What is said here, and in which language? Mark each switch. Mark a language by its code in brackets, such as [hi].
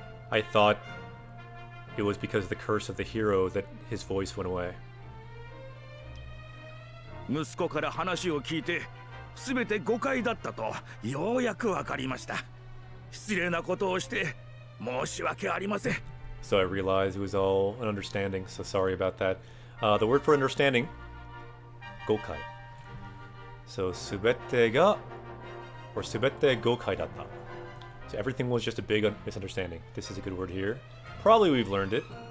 [en] I thought it was because of the curse of the hero that his voice went away. [ja] 息子から話を聞いて、すべて誤解だったとようやくわかりました。失礼なことをして申し訳ありません。 [en] So I realized it was all an understanding, so sorry about that. The word for understanding, 誤解.So, [ja] すべてが, [en] or [ja] すべて誤解だった. [en] So everything was just a big misunderstanding. This is a good word here. Probably we've learned it.